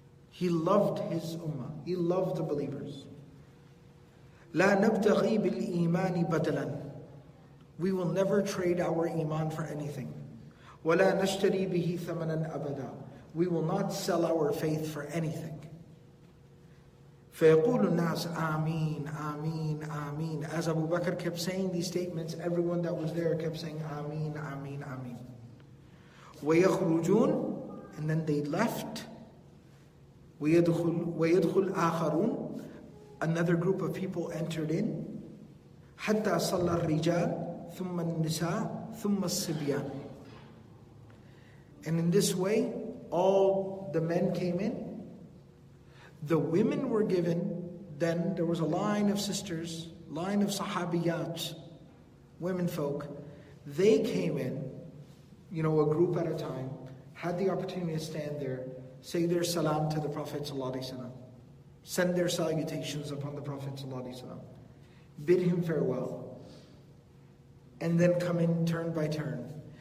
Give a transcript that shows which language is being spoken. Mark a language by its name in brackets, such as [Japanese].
[English] He loved His ummah. He loved the believers. [Arabic] لَا نَبْتَغِي بِالْإِيمَانِ بَدَلًا. [English] We will never trade our iman for anything. [Arabic] وَلَا نَشْتَرِي بِهِ ثَمَنًا أَبَدًا. [English] We will not sell our faith for anything. [Arabic] فَيَقُولُ النَّاسُ آمين آمين آمين. [English] As Abu Bakr kept saying these statements, everyone that was there kept saying [Arabic] آمين آمين آمين. وَيَخْرُجُونَ. [English] And then they left. [Arabic] وَيَدْخُلْ آخَرُونَ. [English] Another group of people entered in. [Arabic] حَتَّى صَلَّى الرِّجَالُ ثُمَّ النِّسَاءُ ثُمَّ الصِّبْيَانُ. [English] And in this way, all the men came in. The women were given. Then there was a line of sisters, line of sahabiyat, women folk. They came in, you know, a group at a time, had the opportunity to stand there, say their salam to the Prophet ﷺ, send their salutations upon the Prophet ﷺ, bid him farewell, and then come in turn by turn.